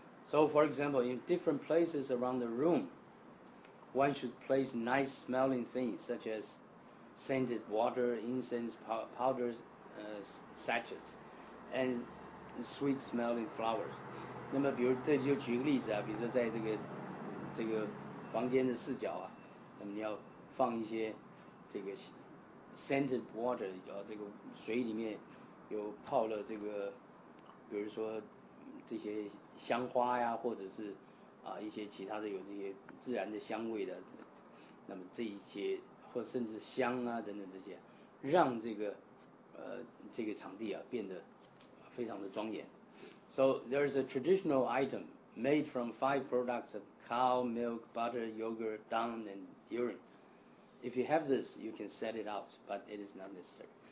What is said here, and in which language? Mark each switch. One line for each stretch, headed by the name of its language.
English: So for example, in different places around the room, one should place nice smelling things such as scented water, incense powders, sachets, and sweet smelling flowers.
Chinese: 那么比如这就举个例子啊，比如说在这个房间的四角啊，那么你要放一些这个
English: scented water，
Chinese: 要这个水里面有泡了这个，比如说这些香花呀，或者是一些其他的有这些自然的香味的，那么这一些或甚至香啊等等这些，让这个场地啊变得非常的庄严。
English: So there is a traditional item made from 5 products of cow, milk, butter, yogurt, dung, and urine. If you have this, you can set it out, but it is not necessary.